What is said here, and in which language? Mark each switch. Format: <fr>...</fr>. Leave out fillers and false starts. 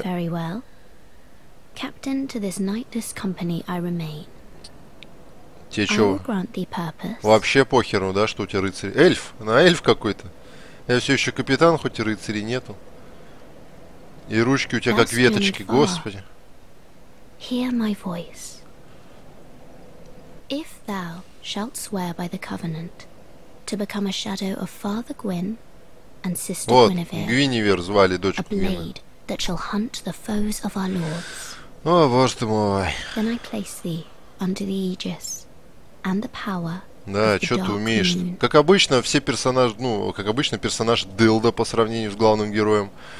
<en>Very well. Captain to this nightless company I remain.</en> <ru>Тебе чё?</ru> <en>I will grant thee purpose.</en> <ru>Вообще похеру, да, что у тебя рыцарь? Эльф! На эльф какой-то. Я все еще капитан, хоть и рыцарей нету. И ручки у тебя как веточки, Господи.</ru> <en>Hear my voice. If thou shalt swear by the covenant to become a shadow of Father Gwyn and Sister</en> <ru>вот,</ru> <en>Guinevere,</en> <ru>Гвиневер звали дочь</ru> <en>Гвина. A blade that shall hunt the foes of our lords.</en> <ru>О, Боже ты мой.</ru> <en>Then I place thee under the aegis and the power.</en> <ru>Да, что ты умеешь? Как обычно, все персонажи, ну, как обычно, персонаж Дилда по сравнению с главным героем.</ru>